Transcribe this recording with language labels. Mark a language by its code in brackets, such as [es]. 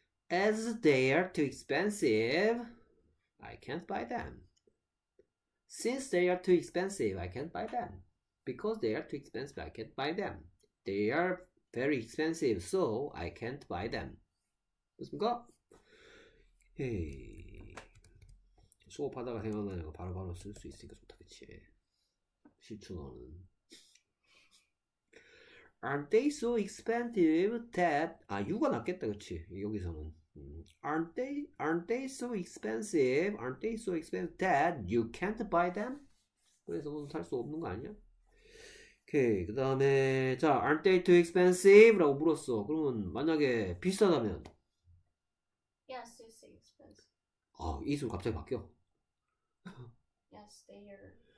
[en] as they are too expensive, I can't buy them. Since they are too expensive, I can't buy them. Because they are too expensive, I can't buy them. They are very expensive, so I can't buy them. [ko] 됐습니까? 에이, 수업하다가 생각나는 거 바로바로 쓸수 있으니까 좋다, 그치? 실추노는. [en] Aren't they so expensive that? [ko] 아, 유가 낫겠다, 그치? 여기서는. [en] Aren't they so expensive? Aren't they so expensive that you can't buy them? [ko] 그래서 너는 살수 없는 거 아니야? 오케이, 그 다음에 자, [en] aren't they too expensive? [ko] 라고 물었어. 그러면 만약에 비싸다면 [en] Yes, it's expensive. [ko] 아, 이수 갑자기 바뀌어. [en] Yes, they are.